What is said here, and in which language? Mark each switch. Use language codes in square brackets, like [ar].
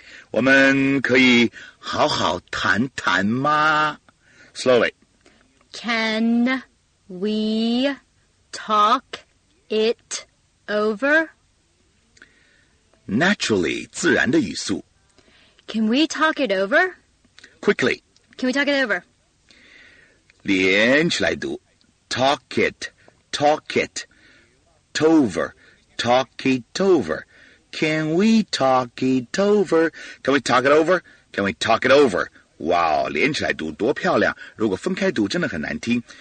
[zh] 我们可以好好谈谈吗？Slowly. [en] Can we talk it over? [zh] Naturally, 自然的语速。 [en] Can we talk it over? Quickly. Can we talk it over? [zh] 连起来读 [en] ，talk it, talk it, tover, talk it over. Can we talk it over? Can we talk it over? Can we talk it over? [zh] Wow, 连起来读多漂亮！如果分开读真的很难听。